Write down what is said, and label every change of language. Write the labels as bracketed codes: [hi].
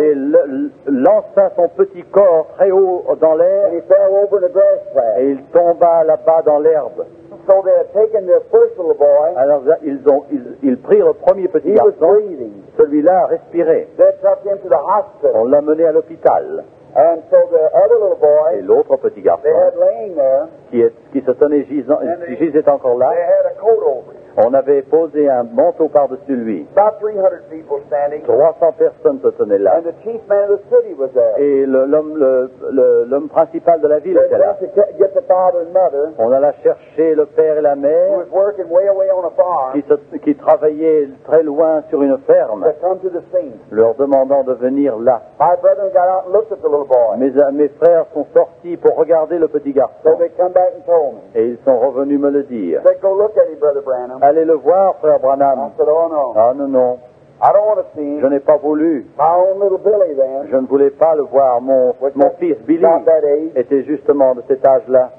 [fr] et lança son petit corps très haut dans l'air, [en] and he fell over the grass flat, [fr] et il tomba là-bas dans l'herbe. [en] So they had taken their first little boy. [fr] Alors ils prirent le premier petit [en] he [fr] garçon. [en] Was breathing. [fr] Celui-là respirait. [en] They took him to the hospital. [fr] On l'a mené à l'hôpital. [en] And so the other little boy, [fr] et l'autre petit garçon, [en] they had laying there, [fr] qui se tenait gisant, qui gisait encore là, [en] they had a coat over. [fr] On avait posé un manteau par-dessus lui. [en] About 300 people standing. [fr] 300 personnes se tenaient là. [en] And the chief man of the city was there. [fr] Et l'homme principal de la ville [en] they [fr] était là. [en] Get the father and mother, [fr] on alla chercher le père et la mère, [en] who was working way away on a farm, [fr] qui travaillaient très loin sur une ferme, [en] to come to the scene, [fr] leur demandant de venir là. [en] My brother got out and looked at the little boy. [fr] Mes frères sont sortis pour regarder le petit garçon. [en] So they come back and told me. [fr] Et ils sont revenus me le dire. [en] They go look at him, Brother Branham. [fr] Allez le voir, frère Branham. [en] I said, oh, no. [fr] Ah non, non. [en] I don't want to see him. [fr] Je n'ai pas voulu. [en] My own little Billy, then. [fr] Je ne voulais pas le voir. Mon fils Billy était justement de cet âge-là.